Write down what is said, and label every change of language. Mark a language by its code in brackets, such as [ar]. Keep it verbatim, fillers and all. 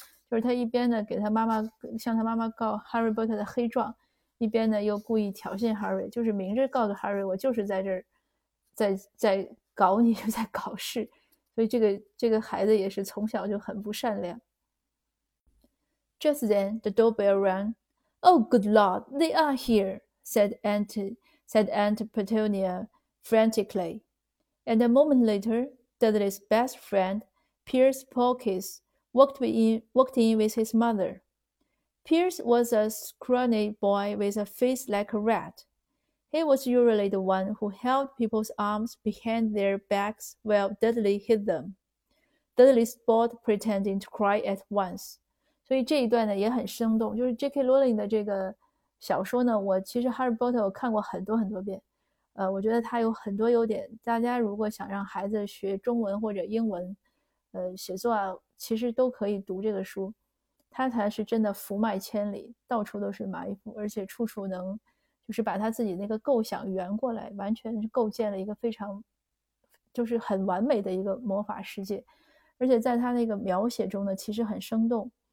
[zh] 就是他一边呢给他妈妈向他妈妈告 Harry Potter 的黑状，一边呢又故意挑衅 Harry， 就是明着告诉 Harry 我就是在这儿在在搞你，就在搞事。所以这个这个孩子也是从小就很不善良。 [en] Just then the doorbell rang. Oh, good Lord, they are here. Said Aunt, said Aunt Petunia frantically, and a moment later, Dudley's best friend, Piers Polkiss, walked in, walked in with his mother. Piers was a scrawny boy with a face like a rat. He was usually the one who held people's arms behind their backs while Dudley hid them. Dudley spoiled pretending to cry at once. [zh] 所以这一段呢也很生动，就是 J K. Rowling 的这个。小说呢，我其实《Harry Potter》我看过很多很多遍，呃，我觉得它有很多优点。大家如果想让孩子学中文或者英文，呃，写作啊，其实都可以读这个书，它才是真的伏脉千里，到处都是埋伏，而且处处能就是把他自己那个构想圆过来，完全是构建了一个非常就是很完美的一个魔法世界，而且在他那个描写中呢，其实很生动。